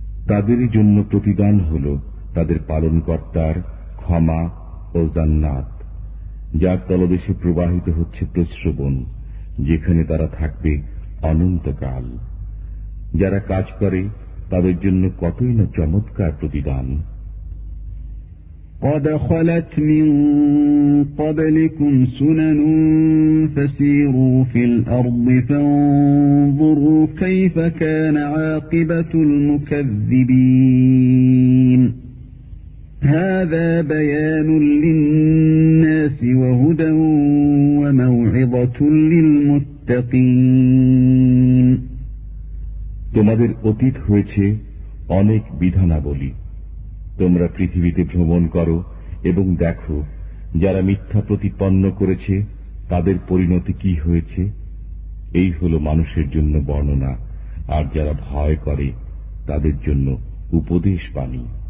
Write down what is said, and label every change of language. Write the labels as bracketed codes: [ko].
[bn] তাদেরই জন্য প্রতিদান হল তাদের পালনকর্তার ক্ষমা ও জান্নাত, যার তলদেশে প্রবাহিত হচ্ছে প্রস্রবণ, যেখানে তারা থাকবে অনন্তকাল। যারা কাজ করে তাদের জন্য কতই না চমৎকার প্রতিদান। [ar] قد خلت من قبلكم سنن فسيروا في الأرض فانظروا كيف كان عاقبة المكذبين هذا بيان للناس وهدى وموعظة للمتقين [bn] তোমাদের অতীত হয়েছে অনেক বিধানা বলি। তোমরা পৃথিবীতে ভ্রমণ করো এবং দেখো যারা মিথ্যা প্রতিপন্ন করেছে তাদের পরিণতি কি হয়েছে, এই হল মানুষের জন্য বর্ণনা, আর যারা ভয় করে তাদের জন্য উপদেশ বাণী।